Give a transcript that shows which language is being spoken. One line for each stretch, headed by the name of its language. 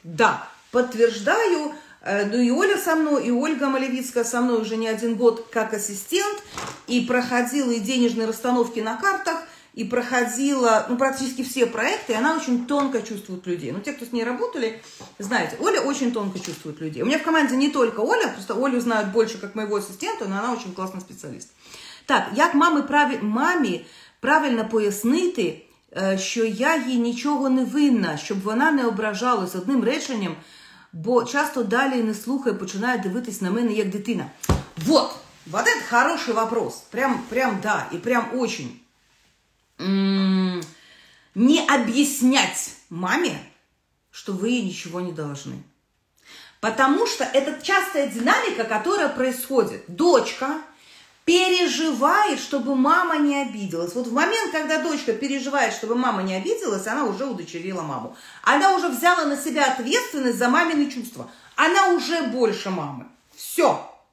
Russian: Да, подтверждаю, ну и Оля со мной, и Ольга Малевицкая со мной уже не один год как ассистент, и проходила и денежные расстановки на картах, и проходила, ну, практически все проекты, и она очень тонко чувствует людей. Ну, те, кто с ней работали, знаете, Оля очень тонко чувствует людей. У меня в команде не только Оля, просто Олю знают больше как моего ассистента, но она очень классный специалист.
Ukrainian: Так, як мамі правильно пояснити, що я їй нічого не винна, щоб вона не ображалась одним реченням, бо часто далі не слухає, починає дивитись на мене як дитина.
Russian: Вот, вот это хороший вопрос, прям да, і прям очень. Не объяснять
Ukrainian: мамі, що ви їй нічого
Russian: не должны. Потому что это частая динамика, которая происходит. Дочка переживает, чтобы мама не обиделась. Вот в момент, когда дочка переживает, чтобы мама не обиделась, она уже удочерила маму. Она уже взяла на себя ответственность за мамины чувства. Она уже больше мамы. Все.